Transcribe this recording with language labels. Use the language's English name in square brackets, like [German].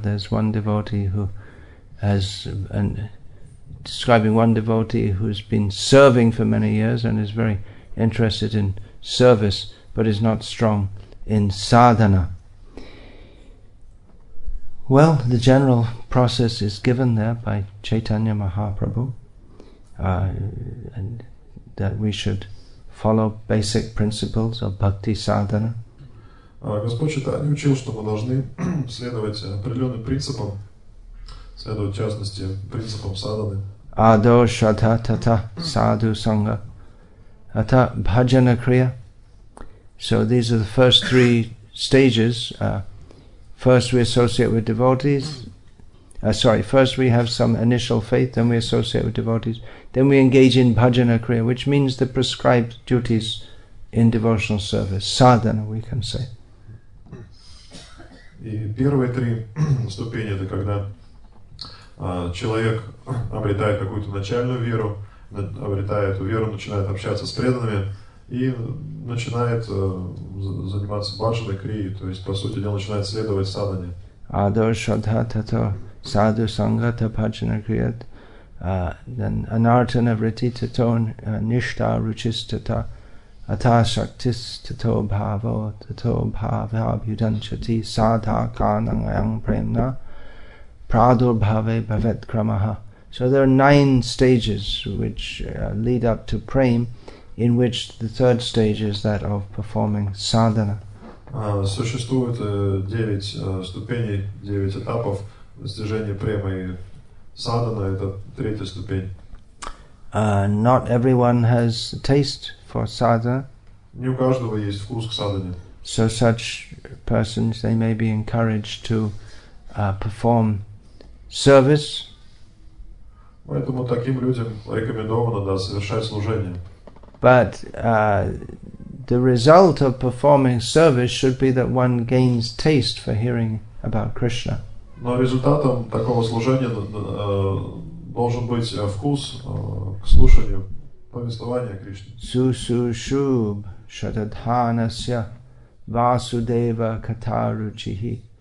[English] There's one devotee who has describing one devotee who's been serving for many years and is very interested in service but is not strong in sadhana. Well, the general process is given there by Chaitanya Mahaprabhu, and that we should follow basic principles of bhakti sadhana. [Russian] Господь Чайтанья учил, что мы должны следовать определенным принципам, следовать, в частности, принципам садханы. [Sanskrit] Ado shata tata sadhu sangha ata bhajana kriya. [English] So these are the first three stages. First we associate with devotees. First we have some initial faith, then we associate with devotees. Then we engage in bhajana kriya, which means the prescribed duties in devotional service. Sadhana, we can say. [Russian] И первые три ступени — это когда человек обретает какую-то начальную веру, обретает эту веру, начинает общаться с преданными и начинает заниматься бхаджаной крией, то есть, по сути дела, начинает следовать садхане. [Sanskrit] Адо шадха тато садху сангата бхаджана крият анартана врити тато ништа ручис тато ата шактис тато бхаво тато бхава бьюданчати садха кананаям премна Pradur Bhave Bhavet Kramaha. [English] So there are nine stages which lead up to prema in which the third stage is that of performing sadhana. [Russian] Существует девять ступеней, девять этапов достижения премы. Садхана – это третья ступень. [English] Not everyone has taste for sadhana. [Russian] Не у каждого есть вкус к садхане. [English] So such persons, they may be encouraged to perform service. [Russian] Поэтому таким людям рекомендовано, да, совершать служение. [English] But the result of performing service should be that one gains taste for hearing about Krishna. [Russian] Но результатом такого служения должен быть вкус к слушанию повествования Кришны. [Sanskrit] Сушушуб шатадханасья Vasudeva Kataruchihi.